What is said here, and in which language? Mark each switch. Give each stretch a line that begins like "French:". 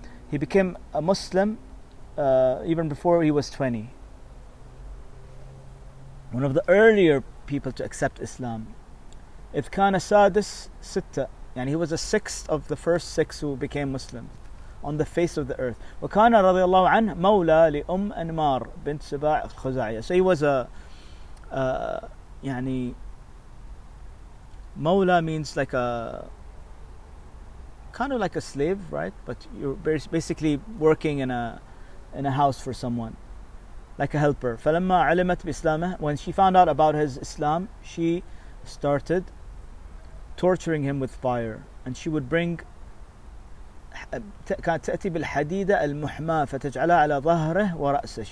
English: He became a Muslim even before he was 20. One of the earlier people to accept Islam.
Arabic: إذ كان سادس ستة,
English: and he was the sixth of the first six who became Muslim on the face of the earth.
Arabic: وكان رضي الله عنه مولى لأم أنمار بنت سباع الخزاعية.
English: So he was
Arabic: يعني مولى
English: means like a kind of like a slave, right? But you're basically working in a house for someone, like a helper.
Arabic: فلما علمت بإسلامه,
English: when she found out about his Islam, she started torturing him with fire, and she would bring
Arabic: تأتي بالحديدة المحمى فتجعلها على ظهره ورأسه.